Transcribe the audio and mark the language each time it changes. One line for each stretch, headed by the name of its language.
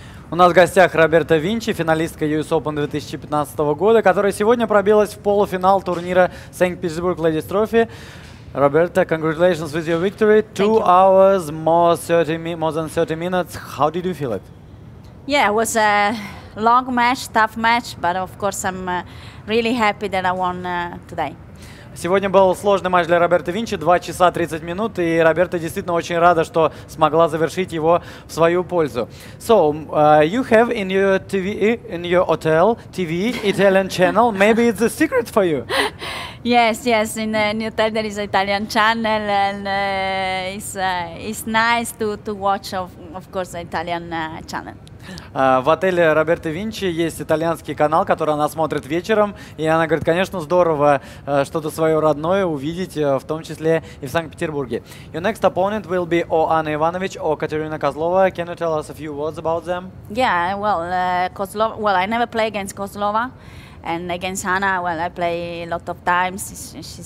Russian: У нас в гостях Роберта Винчи, финалистка US Open 2015 года, которая сегодня пробилась в полуфинал турнира St. Petersburg Ladies Trophy.
English: Роберта, congratulations with your victory. Two hours, more than 30 minutes. How did you feel it? Yeah, it was a long match, tough match, but of course I'm really happy that I won today.
Russian: Сегодня был сложный матч для Роберта Винчи, 2 часа 30 минут, и Роберта действительно очень рада, что смогла завершить его в свою пользу.
English: So, you have in your TV, in your hotel TV, Italian channel, maybe it's a secret for you? Yes, yes, in the hotel there is an Italian channel, and it's nice to watch, of course, Italian channel.
Russian: В отеле Роберта Винчи есть итальянский канал, который она смотрит вечером, и она говорит, конечно, здорово что-то свое родное увидеть, в том числе и в Санкт-Петербурге.
English: Your next opponent will be O Anna Ivanovic or Katerina Kozlova. Can you tell us a few words about them? Yeah, well, Kozlova. Well, I never play against Kozlova, and against Anna, well, I play a lot of times.